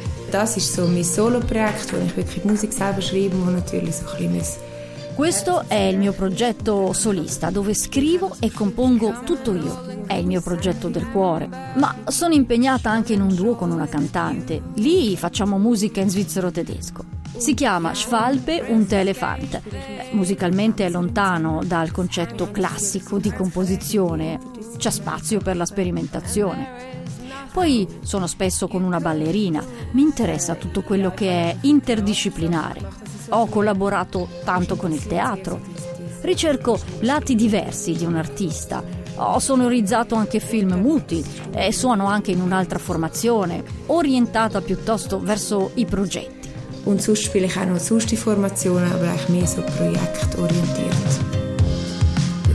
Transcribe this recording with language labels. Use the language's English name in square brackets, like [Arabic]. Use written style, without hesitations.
[German] Das ist so mein Solo-Projekt, wo ich wirklich Musik selber schreibe, wo natürlich so ein kleines. [Italian] Questo è il mio progetto solista, dove scrivo e compongo tutto io. È il mio progetto del cuore. Ma sono impegnata anche in un duo con una cantante. Lì facciamo musica in svizzero tedesco. Si chiama Schwalbe und Elefant. Musicalmente è lontano dal concetto classico di composizione. c'è spazio per la sperimentazione. Poi sono spesso con una ballerina, mi interessa tutto quello che è interdisciplinare. Ho collaborato tanto con il teatro. Ricerco lati diversi di un artista. Ho sonorizzato anche film muti e suono anche in un'altra formazione, orientata piuttosto verso i progetti. [German] Und sonst spiele ich auch noch sonstige Formationen, aber eigentlich mehr so projektorientiert.